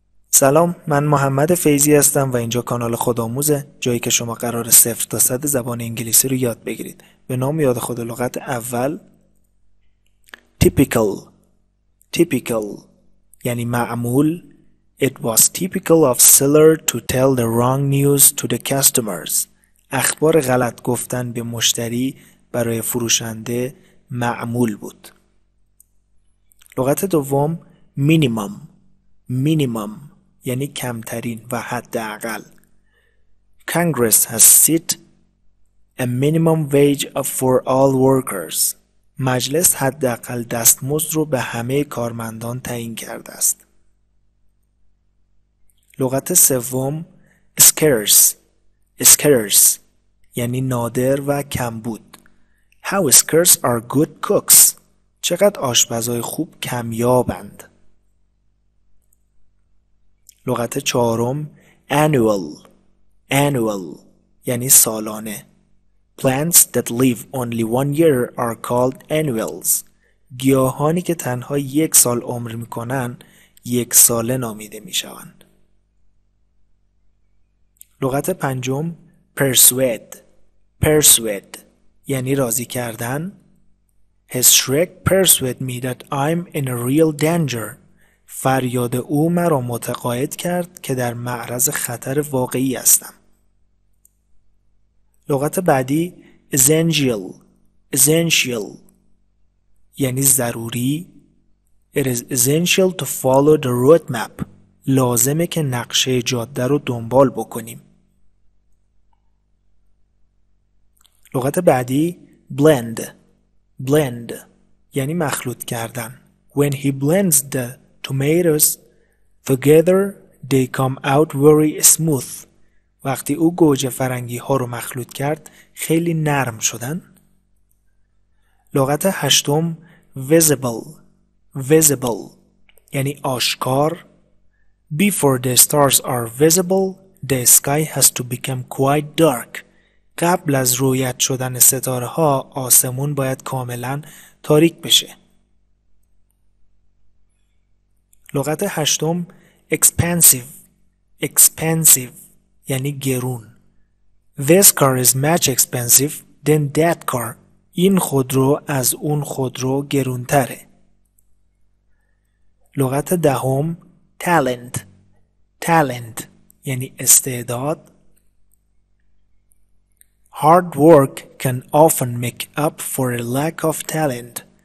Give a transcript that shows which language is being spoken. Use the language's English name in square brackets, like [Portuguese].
[Persian] سلام، من محمد فیزی هستم و اینجا کانال خودآموزه، جایی که شما قراره 0 تا 100 زبان انگلیسی رو یاد بگیرید. به نام یاد خود لغت اول، typical. typical یعنی معمول. [English] It was typical of seller to tell the wrong news to the customers. [Persian] اخبار غلط گفتن به مشتری برای فروشنده معمول بود. لغت دوم، minimum. minimum یعنی کمترین و حداقل. [English] Congress has set a minimum wage for all workers. [Persian] مجلس حداقل دستمزد رو به همه کارمندان تعیین کرده است. لغت سوم، scarce. scarce یعنی نادر و کمبود. [English] How scarce are good cooks. [Persian] چقدر آشپزای خوب کمیابند. لغت چهارم، annual. annual یعنی سالانه. [English] Plants that live only one year are called annuals. [Persian] گیاهانی که تنها یک سال عمر میکنن یک ساله نامیده میشوند. لغت پنجم، persuade. persuade یعنی راضی کردن. [English] His shriek persuaded me that I'm in a real danger. [Persian] فریاد او مرا متقاعد کرد که در معرض خطر واقعی هستم. لغت بعدی، essential. essential یعنی ضروری. [English] It is essential to follow the roadmap. [Persian] لازمه که نقشه جاده رو دنبال بکنیم. لغت بعدی، blend. blend یعنی مخلوط کردن. [English] When he blends the tomatoes together they come out very smooth. [Persian] وقتی او گوجه فرنگی ها رو مخلوط کرد خیلی نرم شدن. لغت هشتم، visible. visible یعنی آشکار. [English] Before the stars are visible the sky has to become quite dark. [Persian] قبل از رویت شدن ستاره ها آسمون باید کاملا تاریک بشه. لغت هشتم، expensive. expensive یعنی گرون. [English] This car is much expensive than that car. [Persian] این خودرو از اون خودرو گرونتره. لغت دهم، talent. talent یعنی استعداد. [English] Hard work can often make up for a lack of talent.